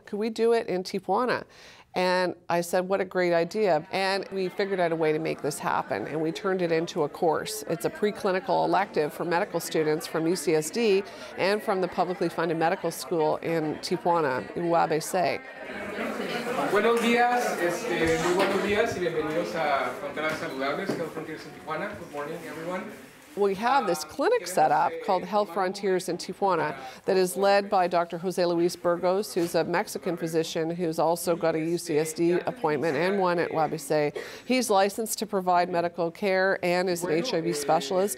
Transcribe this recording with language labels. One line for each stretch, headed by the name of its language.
English: Could we do it in Tijuana? And I said, what a great idea. And we figured out a way to make this happen, and we turned it into a course. It's a preclinical elective for medical students from UCSD and from the publicly funded medical school in Tijuana, in Uabe Say.
Spanish: Buenos días, muy buenos días, y bienvenidos a Fronteras Saludables, Health Frontiers in Tijuana.
English: Good morning, everyone. We have this clinic set up called Health Frontiers in Tijuana that is led by Dr. Jose Luis Burgos, who's a Mexican physician who's also got a UCSD appointment and one at Uabe Say. He's licensed to provide medical care and is an HIV specialist.